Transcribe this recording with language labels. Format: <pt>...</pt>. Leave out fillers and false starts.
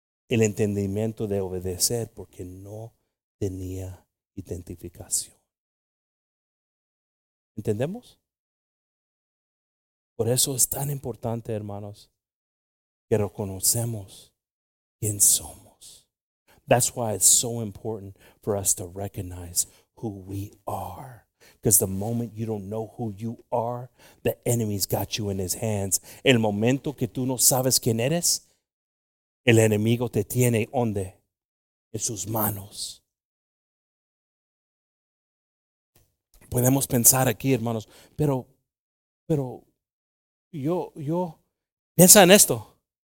<es>El entendimiento de obedecer porque no tenía identificación. ¿Entendemos? Por eso es tan importante, hermanos, que reconocemos quién somos.</es> <en>That's why it's so important for us to recognize who we are. Because the moment you don't know who you are, the enemy's got you in his hands.</en> <es>El momento que tú no sabes quién eres, el enemigo te tiene ¿dónde? En sus manos. Podemos pensar aquí, hermanos, pero yo piensa en esto.</es>